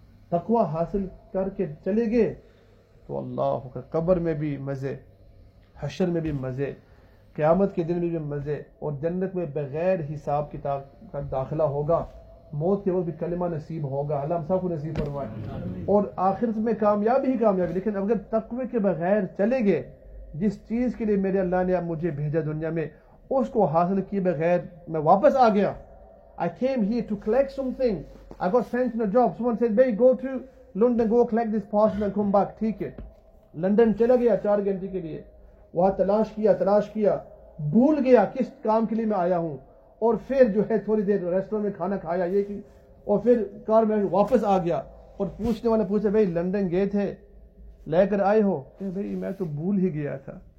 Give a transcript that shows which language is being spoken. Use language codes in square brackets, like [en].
[ur] Taqwa hasil karke chale gaye to Allah ke qabr mein bhi mazay, حشر میں بھی مزے, قیامت کے دن میں بھی مزے, اور جنت میں بغیر حساب کتاب کا داخلہ ہوگا, موت کے وقت بھی کلمہ نصیب ہوگا, اللہ ہم سب کو نصیب فرمائے, اور آخرت میں کامیابی ہی کامیابی. لیکن اگر تقوی کے بغیر چلے گئے, جس چیز کے لیے میرے اللہ نے مجھے بھیجا دنیا میں اس کو حاصل کیے بغیر میں واپس آ گیا. [en] I came here to collect something. I got sent in a job. Someone said, "Bhai, go to London, go collect this parcel and come back." [ur] ٹھیک ہے, لندن چلا گیا چار گھنٹے کے لیے, وہاں تلاش کیا, بھول گیا کس کام کے لیے میں آیا ہوں, اور پھر جو ہے تھوڑی دیر ریسٹورنٹ میں کھانا کھایا یہ کی, اور پھر کار میں واپس آ گیا, اور پوچھنے والے پوچھے, بھائی لندن گئے تھے لے کر آئے ہو؟ کہ بھائی میں تو بھول ہی گیا تھا.